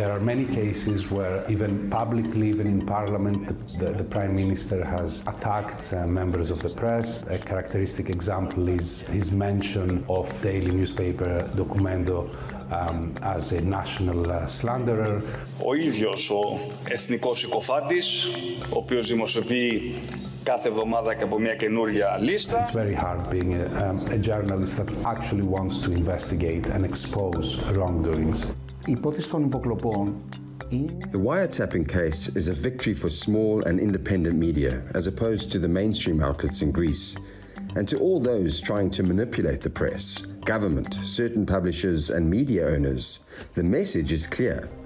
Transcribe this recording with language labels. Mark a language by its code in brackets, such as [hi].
[en] There are many cases where even publicly, even in parliament, the prime minister has attacked members of the press. A characteristic example is his mention of daily newspaper Documento as a national slanderer. [el] Ο ίδιος ο εθνικός συκοφάντης, ο οποίος δημοσιοποιεί κάθε εβδομάδα και από μια καινούργια λίστα. [en] It's very hard being a journalist that actually wants to investigate and expose wrongdoings. [el] Υπόθεση των υποκλοπών. [en] The wiretapping case is a victory for small and independent media, as opposed to the mainstream outlets in Greece. And to all those trying to manipulate the press, government, certain publishers and media owners, the message is clear.